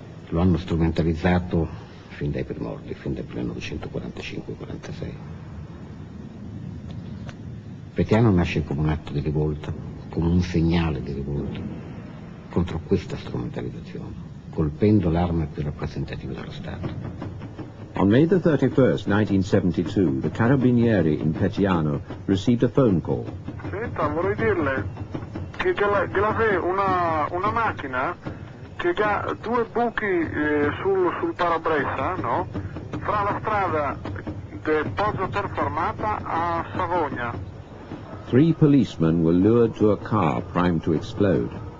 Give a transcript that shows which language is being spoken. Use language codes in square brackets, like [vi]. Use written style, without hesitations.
[it] Lo hanno strumentalizzato fin dai primordi, fin dal 1945-46. Petiano nasce come un atto di rivolta, come un segnale di rivolta contro questa strumentalizzazione, colpendo l'arma più rappresentativa dello Stato. [en] On May the 31st, 1972, the carabinieri in Petiano received a phone call. [it] Senta, vorrei dirle che grave una macchina che ha due buchi sul parabrezza, no? Fra la strada di Pozzo Terraformata a Savogna. [en] Three policemen were lured to a car primed to explode.